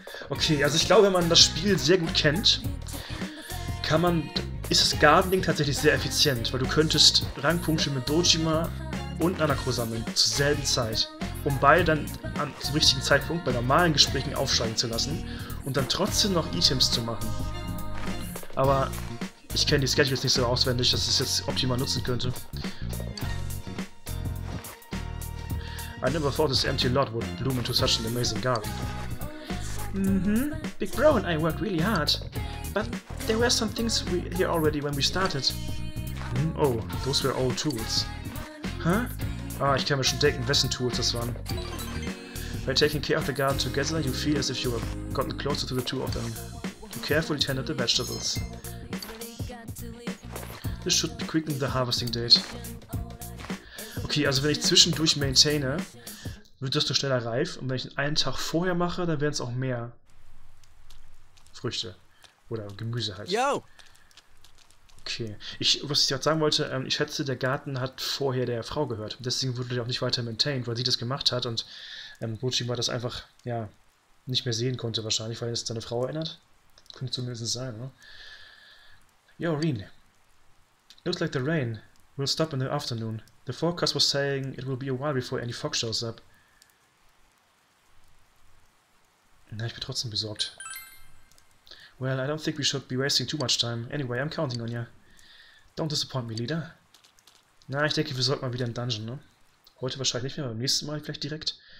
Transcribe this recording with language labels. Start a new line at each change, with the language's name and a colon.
German: Okay, also ich glaube, wenn man das Spiel sehr gut kennt, ist das Gardening tatsächlich sehr effizient, weil du könntest Rangpunkte mit Dojima und Nanako sammeln zur selben Zeit, um beide dann zum richtigen Zeitpunkt bei normalen Gesprächen aufsteigen zu lassen und dann trotzdem noch Items zu machen. Aber ich kenne die Schedules nicht so auswendig, dass es jetzt optimal nutzen könnte.
English: I never thought this empty lot would bloom into such an amazing garden. Big Bro and I worked really hard. But there were some things here already when we started. Oh, those were old tools. Huh?
German: Ah, ich kann mir schon denken, wessen Tools das waren.
English: By taking care of the garden together, you feel as if you have gotten closer to the two of them. You carefully tended the vegetables. This should quicken the harvesting date.
German: Okay, also wenn ich zwischendurch maintaine, wird das doch schneller reif. Und wenn ich einen Tag vorher mache, dann werden es auch mehr Früchte. Oder Gemüse halt. Yo! Okay. Was ich gerade sagen wollte, ich schätze, der Garten hat vorher der Frau gehört. Deswegen wurde der auch nicht weiter maintained, weil sie das gemacht hat. Und Bojima das einfach, ja, nicht mehr sehen konnte wahrscheinlich, weil es seine Frau erinnert. Könnte zumindest sein, ne?
English: Yo, Rin. Looks like the rain will stop in the afternoon. The forecast was saying it will be a while before any fog shows up.
German: Na, ich bin trotzdem besorgt.
English: Well, I don't think we should be wasting too much time. Anyway, I'm counting on you. Don't disappoint me, leader.
German: Na, ich denke, wir sollten mal wieder in Dungeon, ne? Heute wahrscheinlich nicht mehr, aber beim nächsten Mal vielleicht direkt.